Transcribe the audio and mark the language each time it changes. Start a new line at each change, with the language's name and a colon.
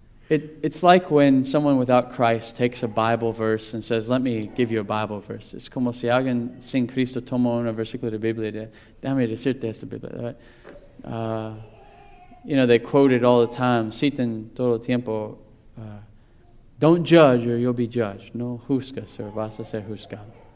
English: It's like when someone without Christ takes a Bible verse and says, let me give you a Bible verse.
Spanish: It's como si alguien sin Cristo tomó un versículo de Biblia y dice, déjame decirte esta Biblia.
English: Right? They quote it all the time,
Spanish: citan todo el tiempo,
English: don't judge or you'll be judged.
Spanish: No juzgas o vas a ser juzgado.